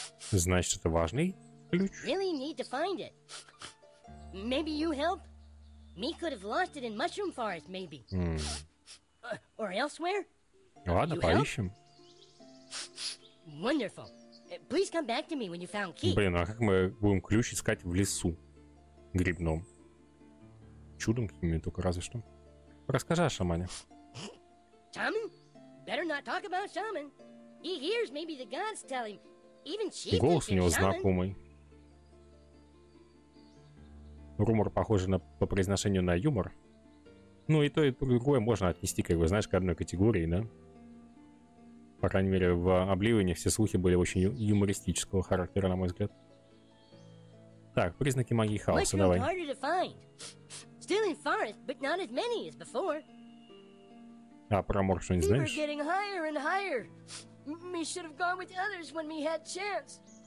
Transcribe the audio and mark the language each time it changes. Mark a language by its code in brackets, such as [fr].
[ru] Значит, это важный ключ. [en] Really need to find it. Maybe you help? Me could have lost it in mushroom forest, maybe. Or elsewhere? [ru] Ладно, поищем. [en] Wonderful. Please come back to me when you found key. [ru] Блин, а как мы будем ключ искать в лесу грибном? Чудом какими только разве что. Расскажи о шамане. [en] Shaman? Better not talk about shaman. He hears maybe the gods tell him. Even chief. [ru] Голос у него знакомый. Румор похож на по произношению на юмор. Ну и то и другое можно отнести, как бы, знаешь, к одной категории, да? По крайней мере, в обливании все слухи были очень юмористического характера, на мой взгляд. Так, признаки магии хаоса, давай. [en] Mushroom harder to find. Still in forest, but not as many as before. [ru] А про мор что не знаешь? [en] Fever getting higher and higher. Me should have gone with others when me had chance.